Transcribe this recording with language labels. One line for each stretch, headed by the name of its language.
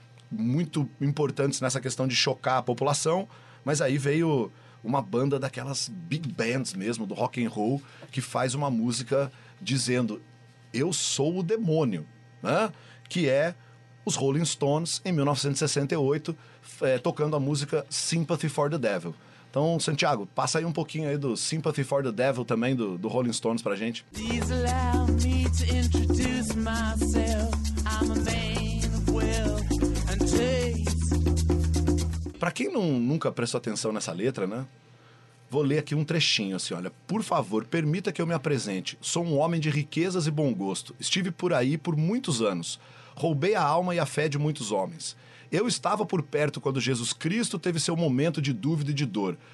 Portuguese: muito importantes nessa questão de chocar a população, mas aí veio uma banda daquelas big bands mesmo, do rock and roll, que faz uma música dizendo eu sou o demônio, né? Que é os Rolling Stones, em 1968, tocando a música Sympathy for the Devil. Então, Santiago, passa aí um pouquinho aí do Sympathy for the Devil também, do Rolling Stones, pra gente.
English: Please allow me to introduce myself. I'm a man of wealth and taste.
Portuguese: Pra quem nunca prestou atenção nessa letra, né? Vou ler aqui um trechinho, assim, olha. Por favor, permita que eu me apresente. Sou um homem de riquezas e bom gosto. Estive por aí por muitos anos. Roubei a alma e a fé de muitos homens. Eu estava por perto quando Jesus Cristo teve seu momento de dúvida e de dor.